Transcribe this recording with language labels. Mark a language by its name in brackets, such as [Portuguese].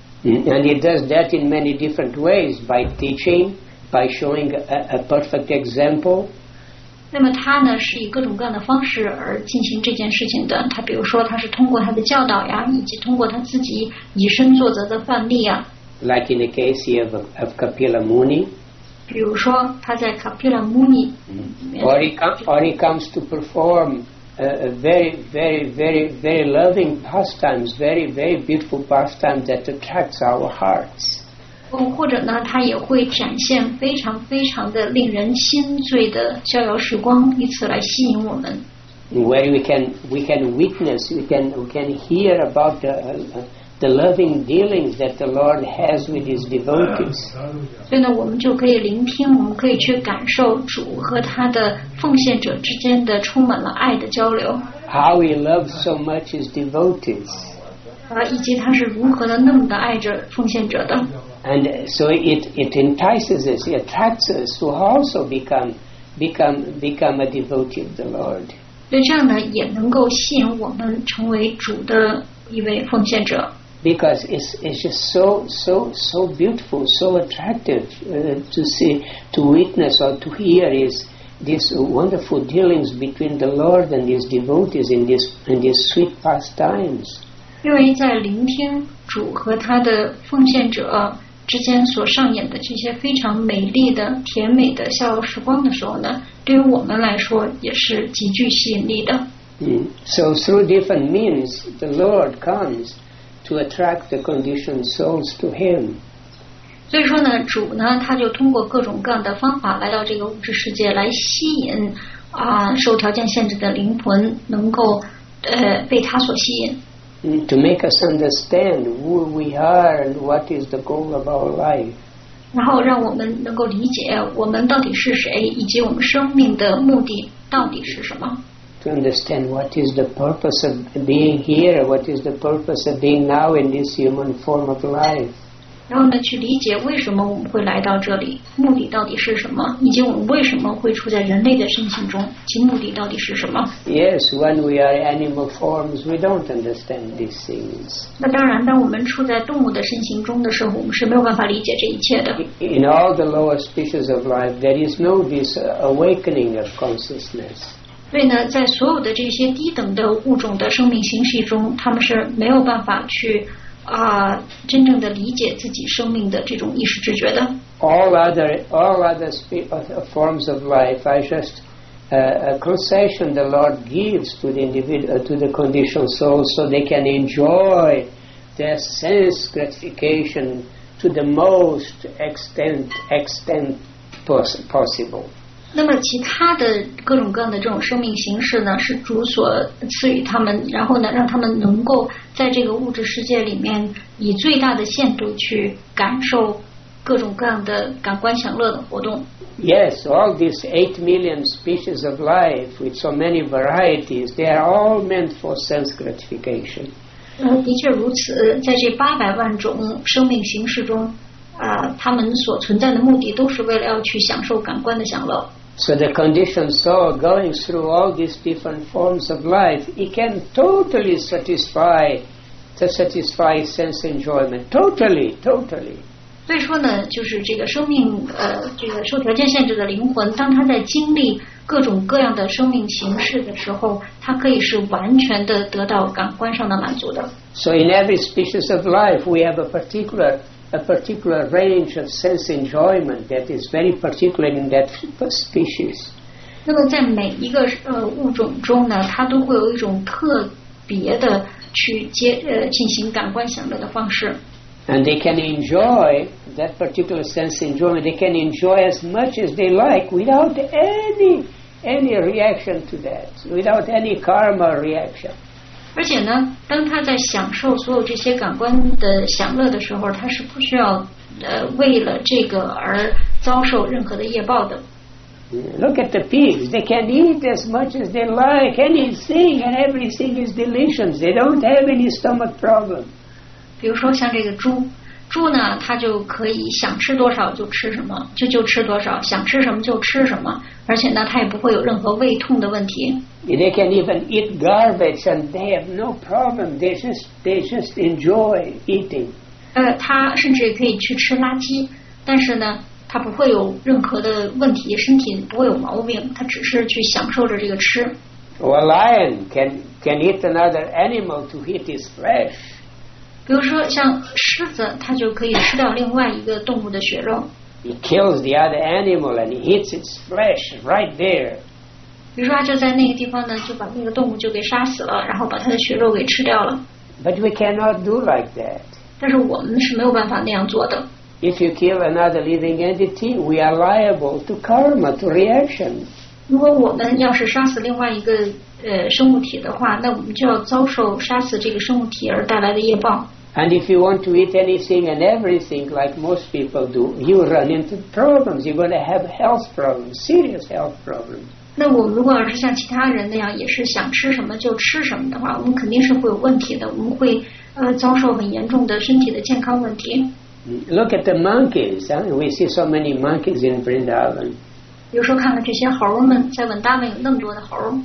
[English] And he does that in many different ways, by teaching, by showing a perfect example. [Chinese] 那么他呢是以各种各样的方式而进行这件事情的，他比如说他是通过他的教导呀，以及通过他自己以身作则的范例呀。 [English] Like in the case here of Kapila Muni. [Chinese] 比如说他在 Kapila Muni [English] or he comes to perform a very very very very loving pastimes, very very beautiful pastimes that attracts our hearts. [Chinese] 或者呢他也会展现非常非常的令人心醉的逍遥时光，以此来吸引我们。 [English] Where we can witness, we can hear about the loving dealings that the Lord has with his devotees. [Chinese] 所以呢，我们就可以聆听，我们可以去感受主和他的奉献者之间的充满了爱的交流。 [English] How he loves so much his devotees. [Chinese] 以及他是如何的那么的爱着奉献者的。 [English] And so it entices us, it attracts us to also become a devotee of the Lord. [Chinese] 所以这样呢，也能够吸引我们成为主的一位奉献者。 [English] Because it's just so beautiful, so attractive to see, to witness or to hear is these wonderful dealings between the Lord and his devotees in these sweet pastimes. [Chinese] 因为在聆听主和他的奉献者之间所上演的这些非常美丽的甜美的逍遥时光的时候呢，对于我们来说也是极具吸引力的。 [English] So through different means, the Lord comes to attract the conditioned souls to him. [Chinese] 所以说呢，主呢，他就通过各种各样的方法来到这个物质世界，来吸引受条件限制的灵魂能够被他所吸引。 [English] To make us understand who we are and what is the goal of our life. [Chinese] 然后让我们能够理解我们到底是谁，以及我们生命的目的到底是什么。 [English] To understand what is the purpose of being here, what is the purpose of being now in this human form of life. [Chinese] 然后呢，去理解为什么我们会来到这里，目的到底是什么，以及我们为什么会处在人类的身形中，其目的到底是什么。 [English] Yes, when we are animal forms, we don't understand these things. [Chinese] 那当然，当我们处在动物的身形中的时候，我们是没有办法理解这一切的。 [English] In all the lower species of life, there is no this awakening of consciousness. [Chinese] 所以呢，在所有的这些低等的物种的生命形式中，他们是没有办法去真正的理解自己生命的这种意识知觉的。 [English] All other forms of life are just a concession the Lord gives to the individual, to the conditioned soul, so they can enjoy their sense gratification to the most extent possible. [Chinese] 那么其他的各种各样的这种生命形式呢，是主所赐予他们，然后呢让他们能够在这个物质世界里面以最大的限度去感受各种各样的感官享乐的活动。 [English] Yes, all these 8 million species of life with so many varieties, they are all meant for sense gratification. [Chinese] 的确如此，在这八百万种生命形式中，他们所存在的目的都是为了要去享受感官的享乐。 [English] So the conditioned soul going through all these different forms of life, it can totally satisfy to satisfy sense enjoyment, totally, totally. [Chinese] 所以说呢，就是这个生命，这个受条件限制的灵魂，当他在经历各种各样的生命形式的时候，他可以是完全的得到感官上的满足的。 [English] So in every species of life, we have a particular range of sense enjoyment that is very particular in that species. [Chinese] 那么在每一个物种中呢，它都会有一种特别的去接进行感官享乐的方式。 [English] And they can enjoy that particular sense enjoyment. They can enjoy as much as they like without any reaction to that, without any karma reaction. [Chinese] 而且呢，当他在享受所有这些感官的享乐的时候，他是不需要为了这个而遭受任何的业报的。 [English] Look at the pigs; they can eat as much as they like, anything and everything is delicious. They don't have any stomach problem. [Chinese] 比如说像这个猪，猪呢，它就可以想吃多少就吃什么，就吃多少，想吃什么就吃什么，而且呢，它也不会有任何胃痛的问题。 [English] They can even eat garbage and they have no problem. They just enjoy eating. [Chinese] 他甚至也可以去吃垃圾，但是呢，他不会有任何的问题，身体不会有毛病，他只是去享受着这个吃。 [English] Or a lion can eat another animal to eat his flesh. [Chinese] 比如说像狮子，他就可以吃掉另外一个动物的血肉。 [English] He kills the other animal and he eats its flesh right there. [Chinese] 比如说，就在那个地方呢，就把那个动物就给杀死了，然后把它的血肉给吃掉了。 [English] But we cannot do like that. [Chinese] 但是我们是没有办法那样做的。 [English] If you kill another living entity, we are liable to karma, to reaction. [Chinese] 如果我们要是杀死另外一个生物体的话，那我们就要遭受杀死这个生物体而带来的业报。 [English] And if you want to eat anything and everything like most people do, you run into problems. You're going to have health problems, serious health problems. [Chinese] 那我们如果要是像其他人那样，也是想吃什么就吃什么的话，我们肯定是会有问题的。我们会遭受很严重的身体的健康问题。 [English] Look at the monkeys, we see so many monkeys in Vrindavan. [Chinese] 有时候看看这些猴们，在文达文有那么多的猴。